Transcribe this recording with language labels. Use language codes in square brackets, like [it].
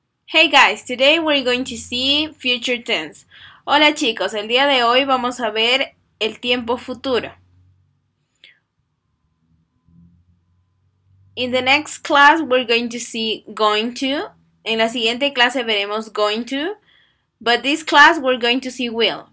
[en] Hey guys, today we're going to see future tense. [es] Hola chicos, el día de hoy vamos a ver el tiempo futuro. [en] In the next class we're going to see going to. [es] En la siguiente clase veremos [en] going to. But this class we're going to see will.